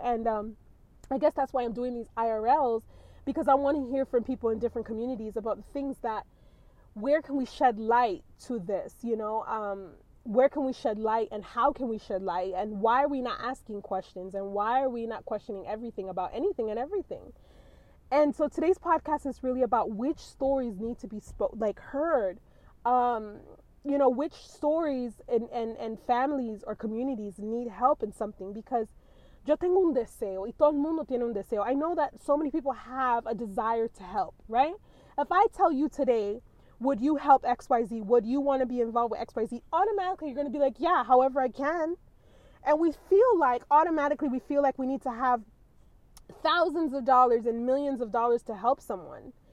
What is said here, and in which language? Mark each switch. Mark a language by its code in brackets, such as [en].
[en] And I guess that's why I'm doing these IRLs, because I want to hear from people in different communities about things that, where can we shed light to this, you know, where can we shed light, and how can we shed light, and why are we not asking questions, and why are we not questioning everything about anything and everything? And so today's podcast is really about which stories need to be heard, you know, which stories and families or communities need help in something. [es] Because yo tengo un deseo, y todo el mundo tiene un deseo. [en] I know that so many people have a desire to help, right? If I tell you today, would you help XYZ? Would you want to be involved with XYZ? Automatically, you're going to be like, yeah, however I can. And we feel like, automatically, we feel like we need to have thousands of dollars and millions of dollars to help someone.